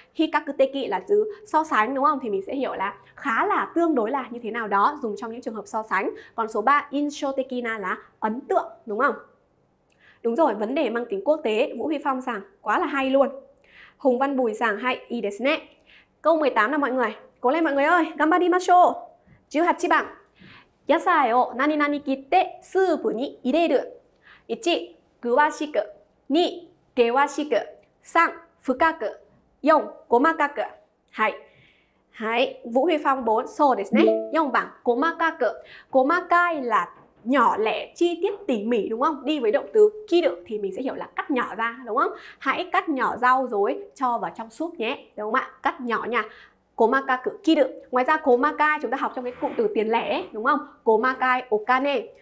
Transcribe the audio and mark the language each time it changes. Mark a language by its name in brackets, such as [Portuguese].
[Vietnamese] Hikaku teki là chữ so sánh đúng không? Thì mình sẽ hiểu là khá là, tương đối là như thế nào đó, dùng trong những trường hợp so sánh. Còn số 3, insho teki na là ấn tượng đúng không? Đúng rồi, vấn đề mang tính quốc tế. Vũ Huy Phong Sảng quá là hay luôn. Hùng Văn Bùi Sảng hay, ii desu ne. Câu 18 là mọi người, cố lên mọi người ơi, gambarimasho. 18 bảng. [Japanese] 野菜を何々切ってスープに入れる 1.詳しく 2.険しく 3.深く 4.細かく はい Vũ Huy Phong 4 So ですね 4 bảng. [Vietnamese] 細かく 細かい là nhỏ lẻ, chi tiết tỉ mỉ đúng không? Đi với động từ kiru thì mình sẽ hiểu là cắt nhỏ ra đúng không? Hãy cắt nhỏ rau rồi cho vào trong súp nhé đúng không ạ? Cắt nhỏ nha. Komakaku kiru. Ngoài ra komakai chúng ta học trong cái cụm từ tiền lẻ đúng không? Komakai okane.